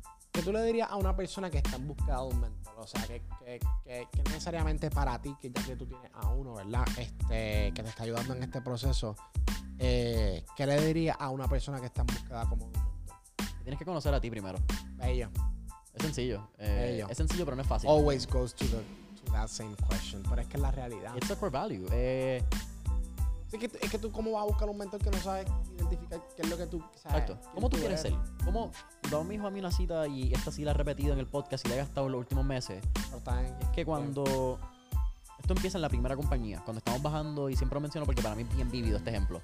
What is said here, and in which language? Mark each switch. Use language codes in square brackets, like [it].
[es] ¿Qué tú le dirías a una persona que está en busca de un mentor? O sea, que necesariamente para ti, que ya que tú tienes a uno, ¿verdad? Que te está ayudando en este proceso. ¿Qué le dirías a una persona que está en busca de un mentor? Tienes que conocer a ti primero. Bello. Es sencillo. Es sencillo, pero no es fácil. [en] Always goes to that same question. [es] Pero es que es la realidad. [en] It's a core value. [es] Es que tú, ¿cómo vas a buscar un mentor que no sabes identificar qué es lo que tú sabes? Exacto. ¿Cómo tú quieres ser? ¿Cómo? Don me dijo a mí una cita, y esta sí la he repetido en el podcast y la he gastado en los últimos meses. Es que cuando... Esto empieza en la primera compañía. Cuando estamos bajando, y siempre lo menciono porque para mí es bien vívido este ejemplo.